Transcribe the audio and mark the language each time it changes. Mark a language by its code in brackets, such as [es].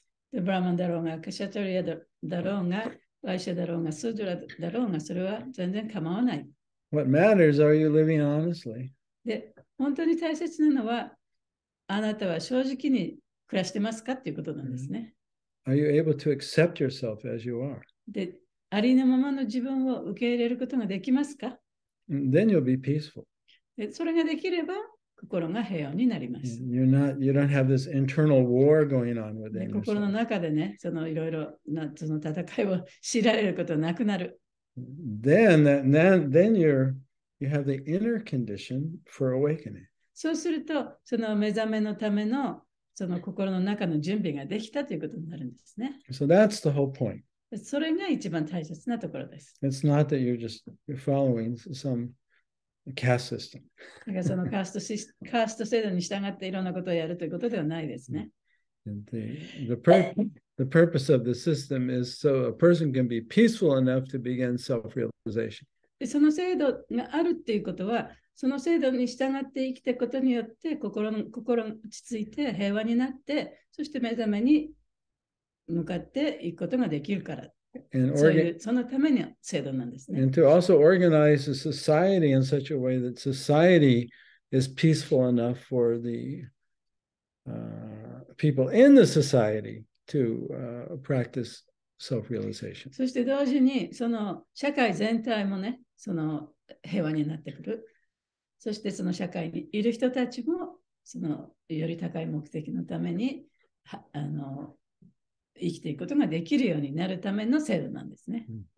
[ja] ブラマンだろうが、クシャトリアだろうが、ワイシャだろうが、スードラだろうが、それは全然構わない。 [en] What matters are you living honestly? [ja] で、本当に大切なのは、あなたは正直に暮らしてますかっていうことなんですね。 [en] Are you able to accept yourself as you are? [ja] で、ありのままの自分を受け入れることができますか？ [en] Then you'll be peaceful. [ja] で、それができれば、心が平穏になります。 [en] You don't have this internal war going on within yourself. [ja] 心の中でね、そのいろいろなその戦いを知られることなくなる。 [en] Then you have the inner condition for awakening. [ja] そうすると、その目覚めのためのその心の中の準備ができたということになるんですね。 [en] So that's the whole point. [ja] それが一番大切なところです。 [en] It's not that you're just following some. Caste system. [ja] だからそのカースト制度に従っていろんなことをやるということではないですね。 [en] The purpose of the system is so a person can be peaceful enough to begin self-realization. [ja] その制度があるっていうことは、その制度に従って生きていくことによって心落ち着いて平和になって、そして目覚めに向かっていくことができるから。そのための制度なんですね。 [en] And to also organize a society in such a way that society is peaceful enough for the people in the society to practice self-realization. [ja] そして同時に、その社会全体もね、その平和になってくる。そしてその社会にいる人たちもそのより高い目的のために生きていくことができるようになるための制度なんですね。